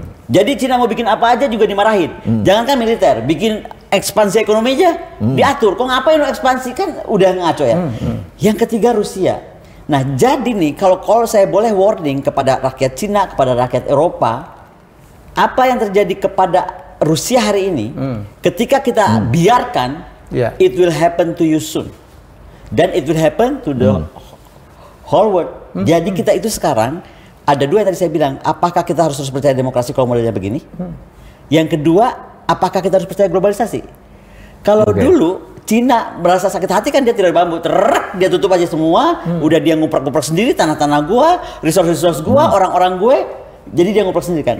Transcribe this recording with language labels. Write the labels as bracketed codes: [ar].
[id] Jadi Cina mau bikin apa aja juga dimarahin. Jangankan militer, bikin ekspansi ekonomi aja diatur. Kok ngapain lo ekspansi? Kan udah ngaco ya. Yang ketiga, Rusia. Nah, jadi nih kalau saya boleh warning kepada rakyat Cina, kepada rakyat Eropa, apa yang terjadi kepada Rusia hari ini, ketika kita biarkan, [en] it will happen to you soon. [id] Dan [en] it will happen to the whole world. [id] Jadi kita itu sekarang, ada dua yang tadi saya bilang, apakah kita harus terus percaya demokrasi kalau modelnya begini? Yang kedua, apakah kita harus percaya globalisasi? Kalau dulu Cina merasa sakit hati kan, dia tidur bambu, terrek, dia tutup aja semua, udah dia nguprek-nguprek sendiri tanah-tanah gua, resource-resource gua, orang-orang gue, jadi dia nguprek sendiri kan.